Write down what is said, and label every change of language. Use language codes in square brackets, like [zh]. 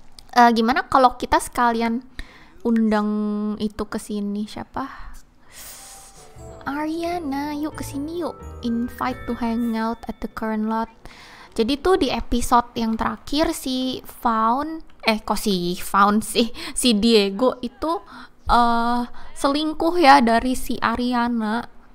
[id] Gimana kalau kita sekalian undang itu ke sini, siapa? Ariana, yuk ke sini yuk. [en] Invite to hang out at the current lot. [id] Jadi tuh di episode yang terakhir si Fawn, si Diego itu selingkuh ya dari si Ariana.